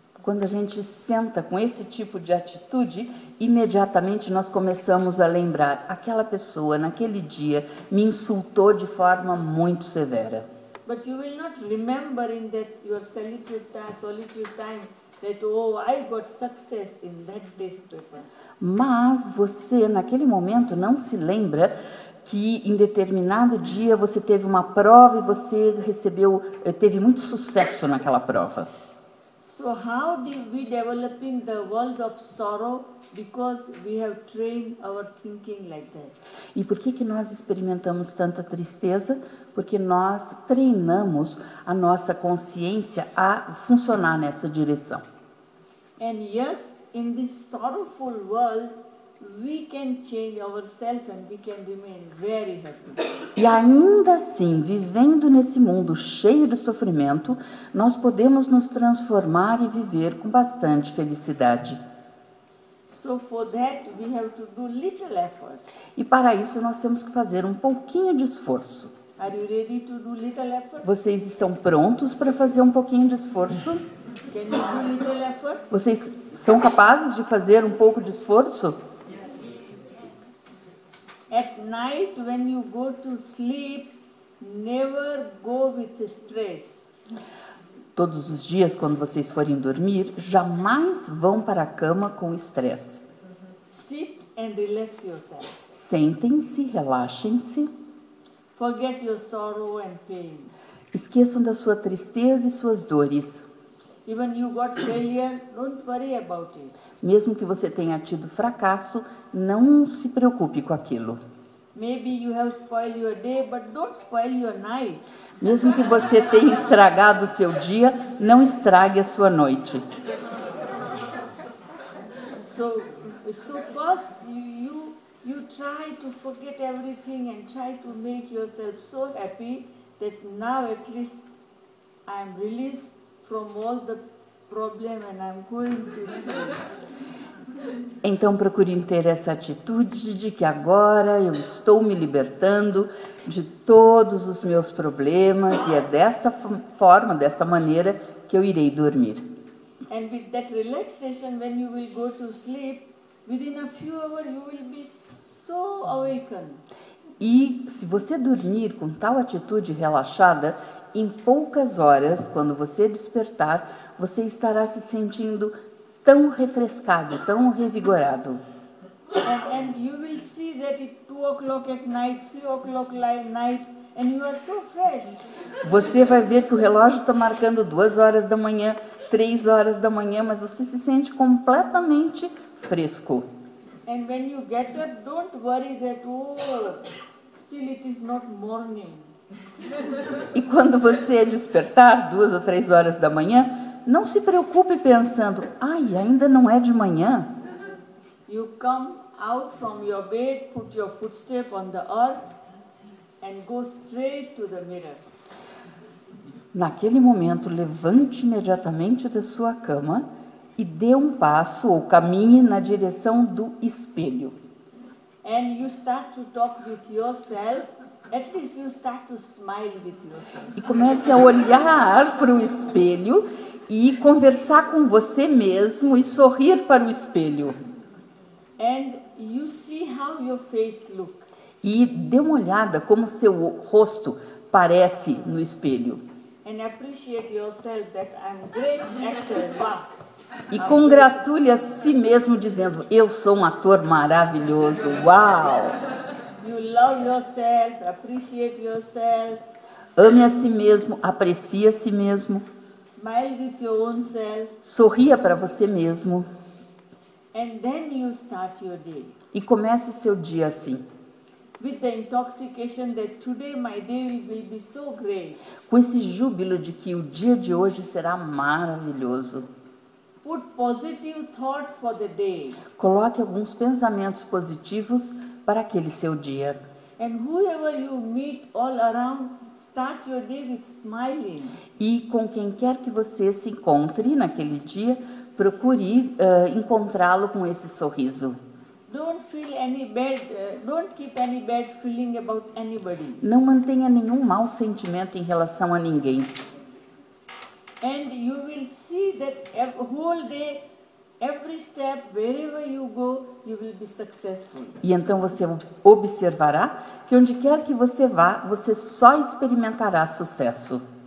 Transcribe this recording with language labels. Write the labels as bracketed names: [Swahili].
[Portuguese] Quando a gente senta com esse tipo de atitude, imediatamente nós começamos a lembrar: aquela pessoa naquele dia me insultou de forma muito severa. [English] But you will not remember in that your solitude time that I got success in that discipline. [Portuguese] Mas você naquele momento não se lembra que em determinado dia você teve uma prova e você recebeu, teve muito sucesso naquela prova. [English] So how do we develop in the world of sorrow because we have trained our thinking like that? [Portuguese] E por que que nós experimentamos tanta tristeza? Porque nós treinamos a nossa consciência a funcionar nessa direção. [English] And yes, in this sorrowful world, we can change ourselves and we can remain very happy. [Portuguese] E ainda assim, vivendo nesse mundo cheio de sofrimento, nós podemos nos transformar e viver com bastante felicidade. [English] So for that, we have to do little effort. [Portuguese] E para isso nós temos que fazer um pouquinho de esforço. [English] Are you ready to do little effort? [Portuguese] Vocês estão prontos para fazer um pouquinho de esforço? [English] Can you do little effort? [Portuguese] Vocês são capazes de fazer um pouco de esforço? [English] At night when you go to sleep, never go with stress. [Portuguese] Todos os dias quando vocês forem dormir, jamais vão para a cama com estresse. [English] Sit and relax yourself. [Portuguese] Sentem-se, relaxem-se. [English] Forget your sorrow and pain. [Portuguese] Esqueçam da sua tristeza e suas dores. [English] Even you got failure, don't worry about it. [Portuguese] Mesmo que você tenha tido fracasso, não se preocupe com aquilo. [English] Maybe you have spoiled your day, but don't spoil your night. [Portuguese] Mesmo que você tenha estragado o seu dia, não estrague a sua noite. [English] So first you try to forget everything and try to make yourself so happy that now at least I am released from all the problem and I'm going to sleep. [Portuguese] Então procure ter essa atitude de que agora eu estou me libertando de todos os meus problemas e é desta forma, dessa maneira que eu irei dormir. [English] And with that relaxation when you will go to sleep, within a few hours you will be so awakened. [Portuguese] E se você dormir com tal atitude relaxada, em poucas horas, quando você despertar, você estará se sentindo tão refrescado, tão revigorado. [English] And you will see that it's 2 o'clock at night, 3 o'clock at night, and you are so fresh. [Portuguese] Você vai ver que o relógio está marcando 2 horas da manhã, 3 horas da manhã, mas você se sente completamente fresco. [English] And when you get up, don't worry that still it is not morning. [Portuguese] E quando você despertar 2 ou 3 horas da manhã, não se preocupe pensando: ai, ainda não é de manhã. [English] You come out from your bed, put your footstep on the earth and go straight to the mirror. [Portuguese] Naquele momento, levante imediatamente da sua cama e dê um passo ou caminhe na direção do espelho. [English] And you start to talk with yourself. At least you start to smile with yourself. [Portuguese] E comece a olhar para o espelho e conversar com você mesmo e sorrir para o espelho. [English] And you see how your face look. [Portuguese] E dê uma olhada como seu rosto parece no espelho. [English] And appreciate yourself that I'm great actor. [Portuguese] E congratule a si mesmo dizendo: eu sou um ator maravilhoso. Uau! [English] You love yourself, appreciate yourself. [Portuguese] Ame a si mesmo, aprecie a si mesmo. [English] Smile with your own self. [Portuguese] Sorria para você mesmo. [English] And then you start your day. [Portuguese] E comece seu dia assim. [English] With the intoxication that today my day will be so great. [Portuguese] Com esse júbilo de que o dia de hoje será maravilhoso. [English] Put positive thought for the day. [Portuguese] Coloque alguns pensamentos positivos para aquele seu dia. [English] And whoever you meet all around, start your day with smiling. [Portuguese] E com quem quer que você se encontre naquele dia, procure encontrá-lo com esse sorriso. [English] Don't keep any bad feeling about anybody. [Portuguese] Não mantenha nenhum mau sentimento em relação a ninguém. [English] And you will see that whole day, every step, wherever you go, you will be successful. [Portuguese] E então você observará que onde quer que você vá, você só experimentará sucesso.